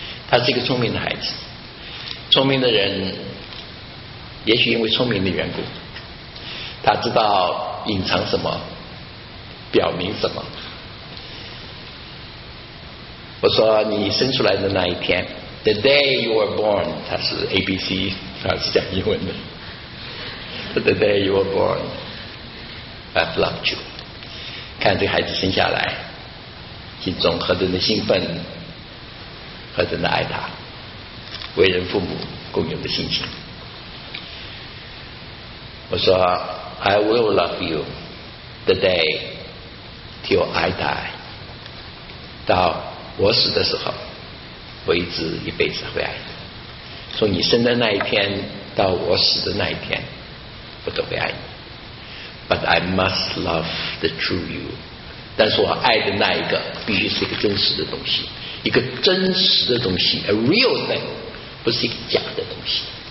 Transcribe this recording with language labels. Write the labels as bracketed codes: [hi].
[zh] 他是一个聪明的孩子，聪明的人也许因为聪明的缘故，他知道隐藏什么，表明什么。我说你生出来的那一天， [en] The day you were born， [zh] 他是 ABC， 他是讲英文的。 [en] The day you were born I've loved you。 [zh] 看这个孩子生下来，心中何等的兴奋，何等的爱他，为人父母共有的心情。我说 [en] I will love you the day till I die， [zh] 到我死的时候，我一直一辈子会爱你。从你生的那一天到我死的那一天，我都会爱你。 [en] But I must love the true you， [zh] 但是我爱的那一个必须是一个真实的东西，一个真实的东西， [en] A real thing， [zh] 不是一个假的东西。